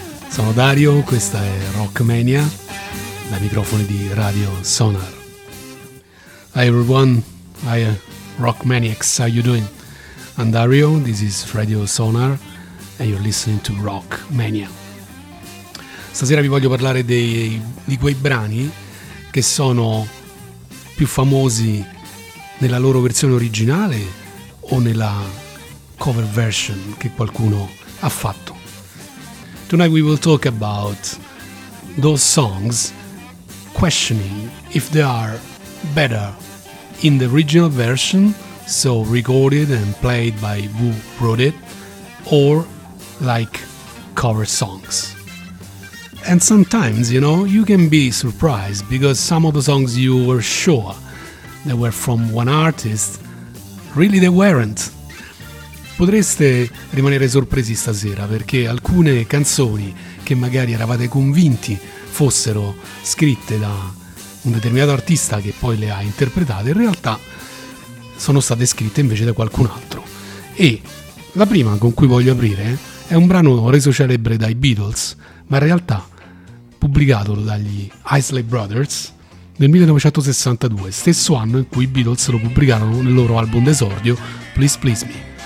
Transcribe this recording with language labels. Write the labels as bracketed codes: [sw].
[it] Sono Dario, questa è Rockmania, dai microfoni di Radio Sonar. [en] Hi everyone, hi rock maniacs, how you doing? I'm Dario, this is Radio Sonar and you're listening to Rockmania. [it] Stasera vi voglio parlare di quei brani che sono più famosi nella loro versione originale o nella cover version che qualcuno ha fatto. [en] Tonight we will talk about those songs, questioning if they are better in the original version, so recorded and played by who wrote it, or like cover songs. And sometimes, you know, you can be surprised because some of the songs you were sure they were from one artist, really they weren't. [it] Potreste rimanere sorpresi stasera perché alcune canzoni che magari eravate convinti fossero scritte da un determinato artista che poi le ha interpretate, in realtà sono state scritte invece da qualcun altro. E la prima con cui voglio aprire è un brano reso celebre dai Beatles, ma in realtà pubblicato dagli Isley Brothers nel 1962, stesso anno in cui i Beatles lo pubblicarono nel loro album d'esordio Please Please Me.